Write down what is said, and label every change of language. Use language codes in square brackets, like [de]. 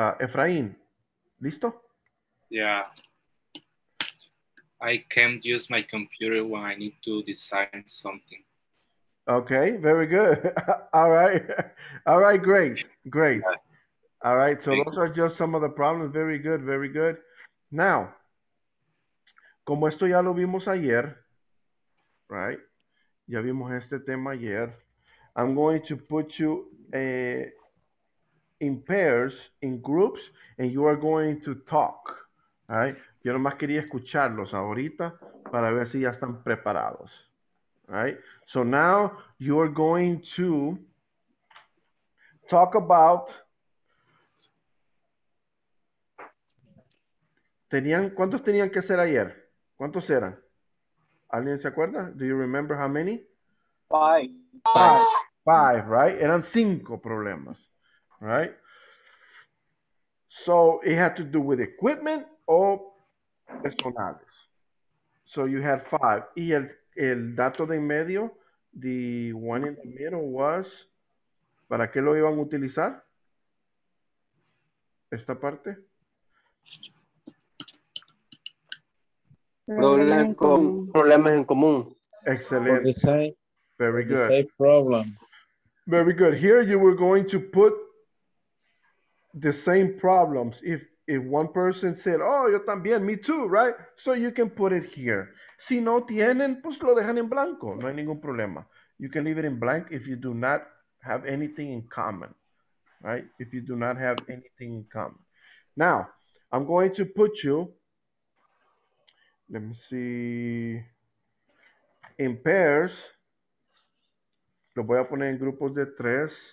[es] Efraín, ¿listo? [en] Yeah. I can't use my computer when I need to design something. Okay, very good. All right. All right, great, great. All right, so those are just some of the problems. Very good, very good. Now, [es] como esto ya lo vimos ayer, [en] right? [es] Ya vimos este tema ayer. [en] I'm going to put you in pairs, in groups, and you are going to talk, right? [es] Yo nomás quería escucharlos ahorita para ver si ya están preparados, [en] right? So now you are going to talk about... [es] ¿Tenían, cuántos tenían que hacer ayer? ¿Cuántos eran? ¿Alguien se acuerda? [en] Do you remember how many? Five, right? [es] Eran cinco problemas, right? [en] So it had to do with equipment [es] o personales. [en] So you had five. [es] Y el dato de en medio, [en] the one in the middle was, [es] ¿para qué lo iban a utilizar? Esta parte. Problemas en común. [en] Excellent. Very good. Same problem. Very good. Here you were going to put the same problems. If one person said, oh, [es] yo también, [en] me too, right? So you can put it here. [es] Si no tienen, pues lo dejan en blanco. No hay ningún problema. [en] You can leave it in blank if you do not have anything in common, right? If you do not have anything in common. Now, I'm going to put you, let me see, in pairs. [es] Lo voy a poner en grupos de tres.